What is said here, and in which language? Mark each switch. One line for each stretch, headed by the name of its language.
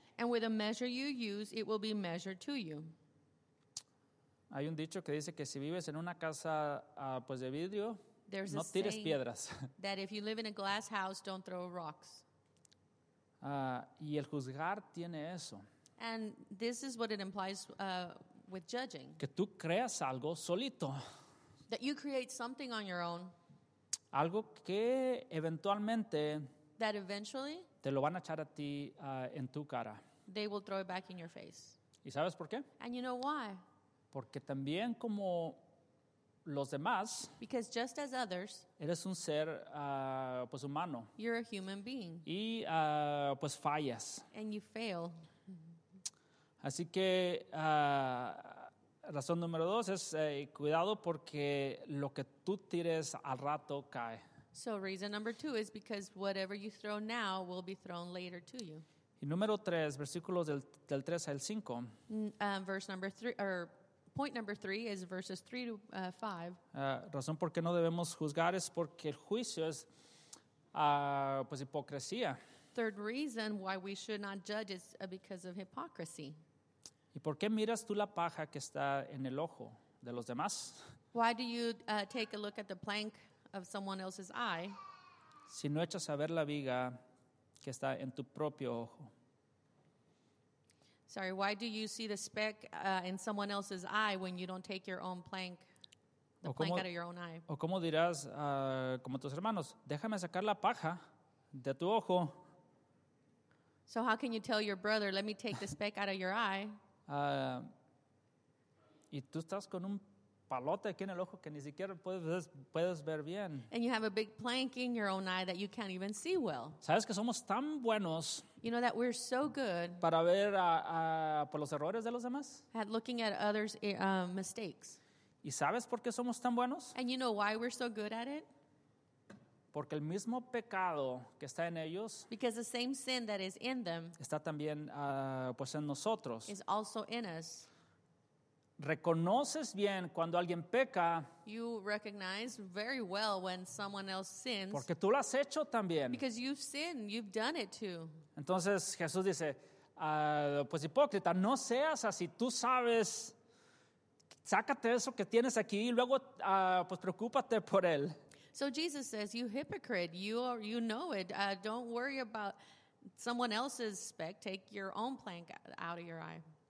English: And with the measure you use, it will be measured to you.
Spanish: Hay un dicho que dice que si vives en una casa, de vidrio, no tires piedras.
English: That if you live in a glass house, don't throw rocks.
Spanish: Y el juzgar tiene eso.
English: And this is what it implies with judging.
Spanish: Que tú creas algo solito.
English: That you create something on your own.
Spanish: Algo que eventualmente.
English: That eventually.
Spanish: Te lo van a echar a ti en tu cara.
English: They will throw it back in your face.
Spanish: ¿Y sabes por qué?
English: And you know why?
Spanish: Porque también como los demás.
English: Because just as others.
Spanish: Eres un ser humano.
English: You're a human being.
Spanish: Y fallas.
English: And you fail.
Spanish: Así que razón número dos es cuidado porque lo que tú tires al rato cae.
English: So reason number two is because whatever you throw now will be thrown later to you.
Spanish: Y número tres, versículos del 3 al 5.
English: Verse number three, point number three is verses 3 to 5.
Spanish: Razón por qué no debemos juzgar es porque el juicio es hipocresía.
English: Third reason why we should not judge is because of hypocrisy.
Spanish: ¿Y por qué miras tú la paja que está en el ojo de los demás?
English: Why do you take a look at the plank of someone else's eye?
Spanish: Si no echas a ver la viga que está en tu propio ojo.
English: Sorry, why do you see the speck in someone else's eye when you don't take your own plank, out of your own eye?
Spanish: O como dirás, como tus hermanos, déjame sacar la paja de tu ojo.
English: So how can you tell your brother, let me take the speck out of your eye?
Spanish: Y tú estás con un palote aquí en el ojo que ni siquiera puedes ver bien.
English: And you have a big plank in your own eye that you can't even see well.
Spanish: Sabes que somos tan buenos.
English: You know that we're so good.
Spanish: Para ver por los errores de los demás.
English: At looking at others' mistakes.
Spanish: ¿Y sabes por qué somos tan buenos?
English: And you know why we're so good at it?
Spanish: Porque el mismo pecado que está en ellos.
English: Because the same sin that is in them.
Spanish: Está también en nosotros.
English: Is also in us.
Spanish: Reconoces bien cuando alguien peca.
English: You recognize very well when someone else sins.
Spanish: Porque tú lo has hecho también.
English: Because you've sinned, you've done it too.
Spanish: Entonces Jesús dice, hipócrita, no seas así. Tú sabes, sácate eso que tienes aquí y luego preocúpate por él.
English: So Jesus says, you hypocrite, you know it. Don't worry about someone else's speck. Take your own plank out of your eye.